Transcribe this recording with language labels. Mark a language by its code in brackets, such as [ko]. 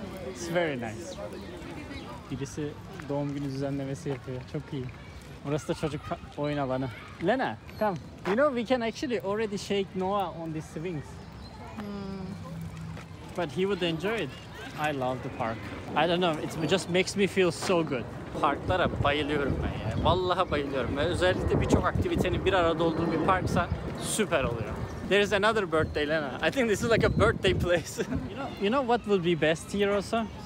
[en] It's very nice. [tr] Birisi doğum günü düzenlemesi yapıyor. Çok iyi. Burası da çocuk oyun alanı. [en] Lena, come. You know, we can actually already shake Noah on these swings. But he would enjoy it. I love the park. I don't know, it just makes me feel so good. [tr] Parklara bayılıyorum ben ya. Vallahi bayılıyorum. Ve özellikle birçok aktivitenin bir arada olduğu bir parksa süper oluyor. [en] There is another birthday, Lena. I think this is like a birthday place. You know what would be best here also?